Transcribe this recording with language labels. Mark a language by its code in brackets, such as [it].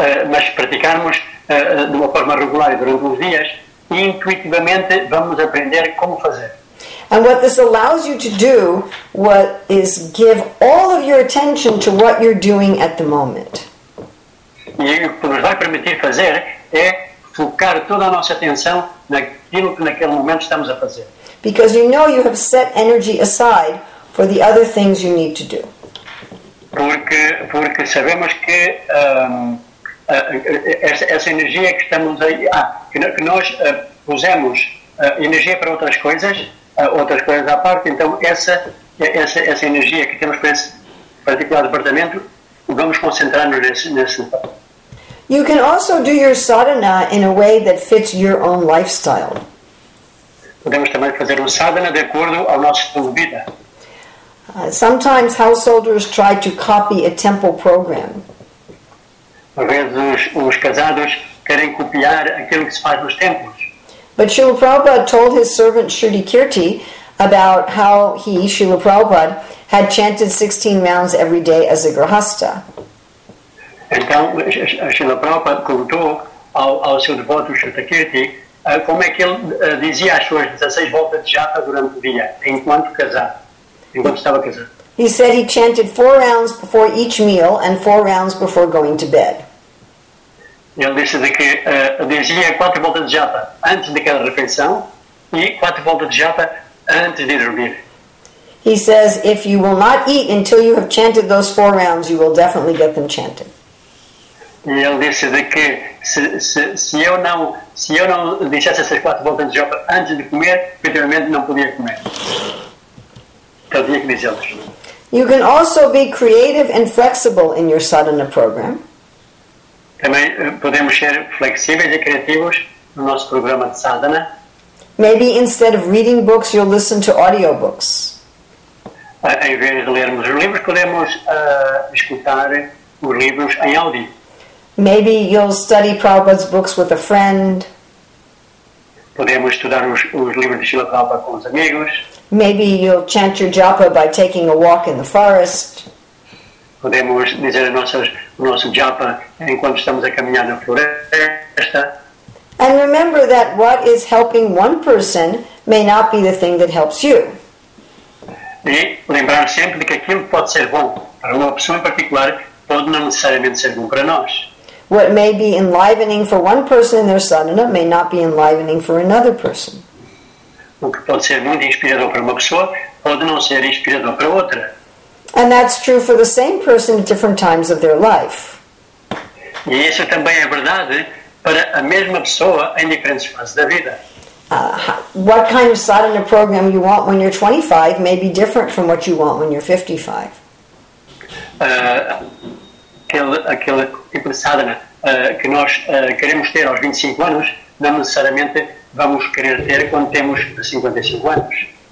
[pt] Mas praticarmos de uma forma regular durante uns dias, intuitivamente vamos aprender como fazer. [en] And what this allows you to do what is give all of your attention to what you're doing at the moment. [pt] E o que nos vai permitir fazer é focar toda a nossa atenção naquilo que naquele momento estamos a fazer. [en] Because you know you have set energy aside for the other things you need to do. [pt] Porque sabemos que essa energia que estamos aí, que nós pusemos energia para outras coisas, outras coisas à parte, então essa energia que temos para esse particular departamento, vamos concentrar-nos nesse. [en] You can also do your sadhana in a way that fits your own lifestyle. [pt] Podemos também fazer sadhana de acordo ao nosso estilo de vida. [en] Sometimes householders try to copy a temple program. [pt] Às vezes os casados querem copiar aquilo que se faz nos templos. [en] But Srila Prabhupada told his servant Shruti Kirti about how he, Srila Prabhupada, had chanted 16 rounds every day as a grihastha. [pt] Então, Srila Prabhupada contou ao seu devoto Shruti Kirti como é que ele dizia as suas 16 voltas de japa durante o dia, enquanto estava casado. [en] He said he chanted 4 rounds before each meal and 4 rounds before going to bed. [pt] Ele disse que dizia 4 voltas de japa antes de cada refeição e 4 voltas de japa antes de dormir. [en] He says, if you will not eat until you have chanted those 4 rounds, you will definitely get them chanted. [pt] E ele disse de que se eu não dissesse essas 4 voltas de japa antes de comer, efetivamente não podia comer. Então tinha que dizê-los. [en] You can also be creative and flexible in your sadhana program. [pt] Também podemos ser flexíveis e criativos no nosso programa de sadhana. [en] Maybe instead of reading books, you'll listen to audiobooks. [pt] Em vez de lermos os livros, podemos escutar os livros em áudio. [en] Maybe you'll study Prabhupada's books with a friend. [pt] Podemos estudar os livros de Srila Prabhupada com os amigos. [en] Maybe you'll chant your japa by taking a walk in the forest. [pt] Podemos dizer o nosso japa enquanto estamos a caminhar na floresta. [en] And remember that what is helping one person may not be the thing that helps you. [pt] E lembrar sempre que aquilo pode ser bom para uma pessoa em particular pode não necessariamente ser bom para nós. [en] What may be enlivening for one person in their sadhana may not be enlivening for another person. [pt] O que pode ser muito inspirador para uma pessoa pode não ser inspirador para outra. [en] And that's true for the same person at different times of their life. [pt] E isso também é verdade para a mesma pessoa em diferentes fases da vida. [en] What kind of sadhana program you want when you're 25 may be different from what you want when you're 55. [pt] Aquele tipo de sadhana que nós queremos ter aos 25 anos, não necessariamente vamos querer ter quando temos 55 anos.